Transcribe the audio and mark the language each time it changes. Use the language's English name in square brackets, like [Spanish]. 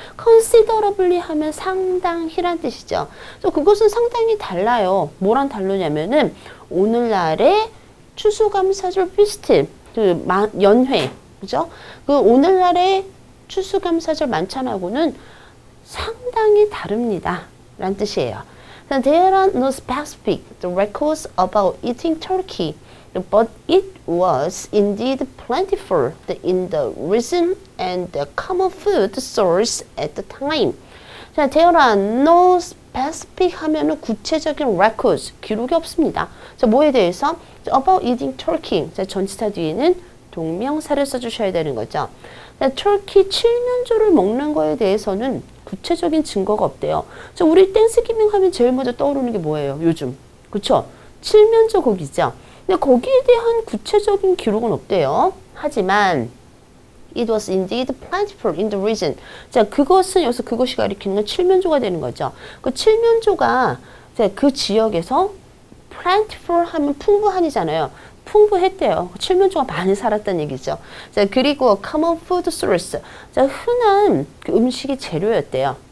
[Korean] considerably 하면 상당히란 뜻이죠. 또 그것은 상당히 달라요. 뭐랑 다르냐면은 오늘날의 추수감사절 feast, 그 연회, 그죠? 그 오늘날의 추수감사절 만찬하고는 상당히 다릅니다. 라는 뜻이에요. [English] There are no specific records about eating turkey, but it was indeed plentiful in the region and the common food source at the time. There are no specific [Korean] 하면 구체적인 records, 기록이 없습니다. 자, 뭐에 대해서? [English] About eating turkey, [Korean] 자, 전치사 뒤에는 동명사를 써주셔야 되는 거죠. 자, 터키 칠면조를 먹는 거에 대해서는 구체적인 증거가 없대요. 자, 우리 땡스기밍 하면 제일 먼저 떠오르는 게 뭐예요? 요즘. 그쵸? 칠면조 고기죠. 근데 거기에 대한 구체적인 기록은 없대요. 하지만 [English] It was indeed plentiful in the region. [Korean] 자, 그것은 여기서 그것이 가리키는 건 칠면조가 되는 거죠. 그 칠면조가 자, 그 지역에서 plentiful 하면 풍부한이잖아요. 풍부했대요. 칠면조가 많이 살았다는 얘기죠. 자, 그리고 [English] common food source. [Korean] 자, 흔한 그 음식의 재료였대요.